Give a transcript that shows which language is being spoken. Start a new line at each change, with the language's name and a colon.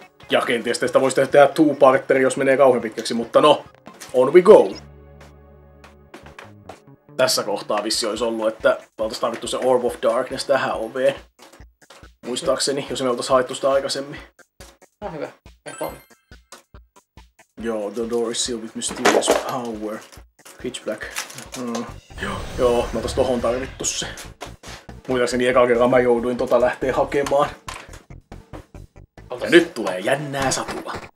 Finnish: Ja kenties teistä voisi tehdä two-parteri, jos menee kauhean pitkäksi, mutta no,
English: on we go!
Finnish: Tässä kohtaa vissi olisi ollut, että oltaisiin tarvittu se Orb of Darkness tähän oveen. Muistaakseni, jos me oltaisiin haettu sitä aikaisemmin. No hyvä, ehkä on.
English: Joo, the door is sealed with mysterious power. Pitch black.
Finnish: Joo, me oltaisiin tohon tarvittu se. Muistaakseni ekaa kerran mä jouduin tota lähteä hakemaan. Ja nyt tulee jännää satua.